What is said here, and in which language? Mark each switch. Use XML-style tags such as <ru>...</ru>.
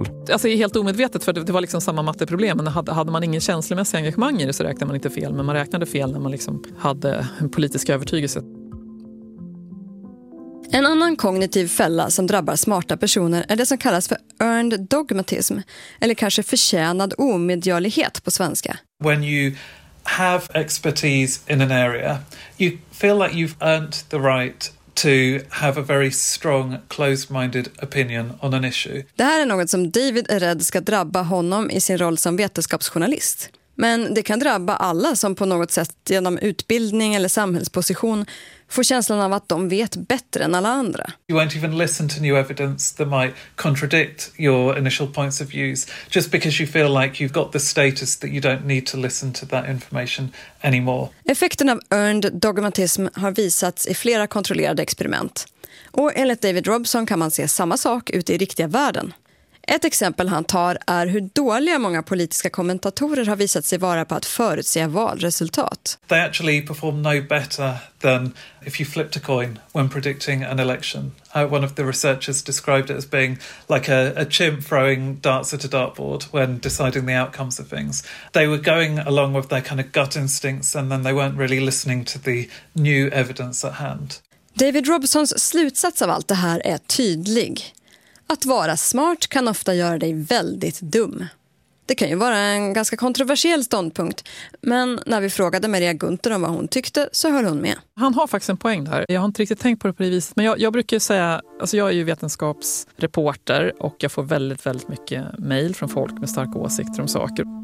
<sv>Alltså det är helt omedvetet, för det var liksom samma matteproblem, men hade man ingen känslomässig engagemang i det så räknade man inte fel, men man räknade fel när man liksom hade en politisk övertygelse. En annan kognitiv fälla som drabbar smarta personer är det som kallas för earned dogmatism, eller kanske förtjänad omedgörlighet på svenska.</sv> <en>When you have expertise in an area, you feel like you've earned the right to have a very strong closed-minded opinion on an issue.</en> <sv>Det här är något som David är rädd ska drabba honom i sin roll som vetenskapsjournalist. Men det kan drabba alla som på något sätt genom utbildning eller samhällsposition får känslan av att de vet bättre än alla andra.</sv> <en>You won't even listen to new evidence that might contradict your initial points of views just because you feel like you've got the status that you don't need to listen to that information anymore.</en> <sv>Effekten av earned dogmatism har visats i flera kontrollerade experiment. Och enligt David Robson kan man se samma sak ute i riktiga världen. Ett exempel han tar är hur dåliga många politiska kommentatorer har visat sig vara på att förutsäga valresultat.</sv> <en>They actually perform no better than if you flipped a coin when predicting an election. One of the researchers described it as being like a chimp throwing darts at a dartboard when deciding the outcomes of things. They were going along with their kind of gut instincts and then they weren't really listening to the new evidence at hand.</en> <sv>David Robsons slutsats av allt det här är tydlig. Att vara smart kan ofta göra dig väldigt dum. Det kan ju vara en ganska kontroversiell ståndpunkt. Men när vi frågade Maria Gunther om vad hon tyckte så höll hon med. Han har faktiskt en poäng där. Jag har inte riktigt tänkt på det på det viset. Men jag brukar säga, alltså jag är ju vetenskapsreporter och jag får väldigt, väldigt mycket mejl från folk med starka åsikter om saker.</sv>